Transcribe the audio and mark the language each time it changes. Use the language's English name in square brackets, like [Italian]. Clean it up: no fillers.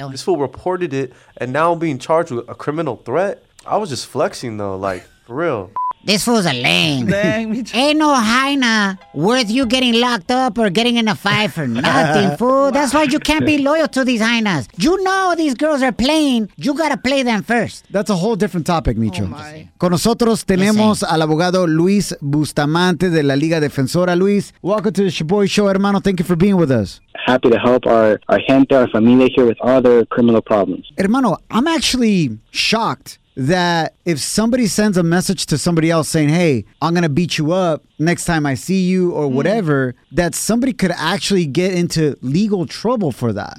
[English] This fool reported it, and now I'm being charged with a criminal threat. I was just flexing, though, like, for real. This fool's a lame. Ain't no hyena worth you getting locked up or getting in a fight for nothing, fool. That's why you can't be loyal to these hyenas. You know these girls are playing. You got to play them first. That's a whole different topic, Micho. Oh, [Spanish] con nosotros tenemos al abogado Luis Bustamante de la Liga Defensora. [English] Luis, welcome to the Shaboy Show, hermano. Thank you for being with us. Happy to help our gente, our familia here with all their criminal problems. Hermano, I'm actually shocked that if somebody sends a message to somebody else saying, hey, I'm going to beat you up next time I see you or whatever, that somebody could actually get into legal trouble for that.